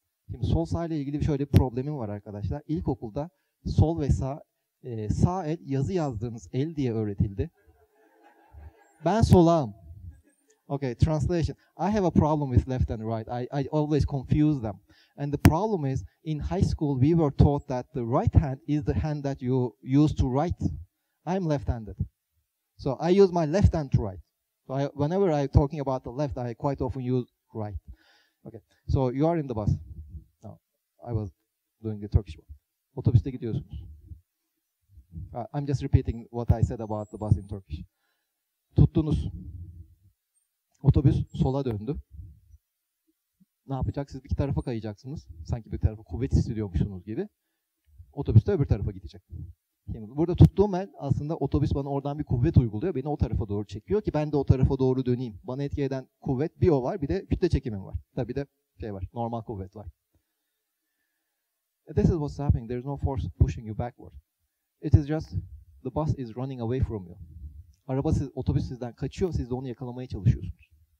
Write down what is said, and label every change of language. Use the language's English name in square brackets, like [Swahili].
[Turkish] Şimdi sol sağ ile ilgili şöyle bir problemim var arkadaşlar. İlkokulda sol ve sağ, sağ el yazı yazdığınız el diye öğretildi. Ben solağım. [English] Okay, translation. I have a problem with left and right. I always confuse them. And the problem is, in high school we were taught that the right hand is the hand that you use to write. I'm left-handed. So I use my left hand to write. So whenever I'm talking about the left, I quite often use right. Okay, so you are in the bus. No, I was doing the Turkish one. [Turkish] Otobüste gidiyorsunuz. [English] I'm just repeating what I said about the bus in Turkish. [Turkish] Tuttunuz. Otobüs sola döndü. Ne yapacaksınız? İki tarafa kayacaksınız. Sanki bir tarafa kuvvet hissediyormuşsunuz gibi. Otobüs de öbür tarafa gidecek. Burada tuttuğum el aslında otobüs bana oradan bir kuvvet uyguluyor. Beni o tarafa doğru çekiyor ki ben de o tarafa doğru döneyim. Bana etki eden kuvvet bir o var, bir de kütle çekimim var. Tabii de şey var, normal kuvvet var. [English] This is what's happening. There is no force pushing you backward. It is just the bus is running away from you. [Turkish] Araba siz, otobüs sizden kaçıyor, siz de onu yakalamaya çalışıyorsunuz.